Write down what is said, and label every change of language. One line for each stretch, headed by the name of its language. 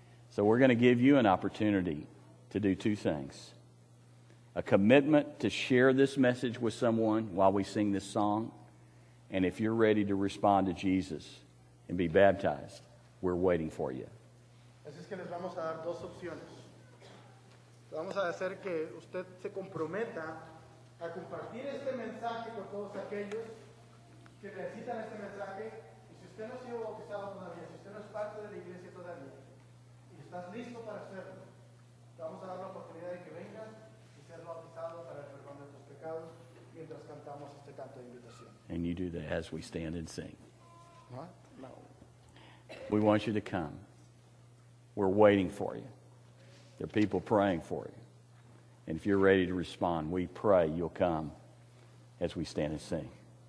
English: So we're going to give you an opportunity to do two things. A commitment to share this message with someone while we sing this song. And if you're ready to respond to Jesus and be baptized, we're waiting for you.
Spanish: Así es que les vamos a dar dos opciones. Vamos a hacer que usted se comprometa a compartir este mensaje con todos aquellos que necesitan este mensaje. Y si usted no ha sido bautizado todavía, si usted no es parte de la iglesia todavía, y estás listo para hacerlo, te vamos a dar la oportunidad de que vengas y ser bautizado para el perdón de tus pecados mientras cantamos este canto de invitación.
English: And you do that as we stand and sing. What? No. We want you to come. We're waiting for you. There are people praying for you. And if you're ready to respond, we pray you'll come as we stand and sing.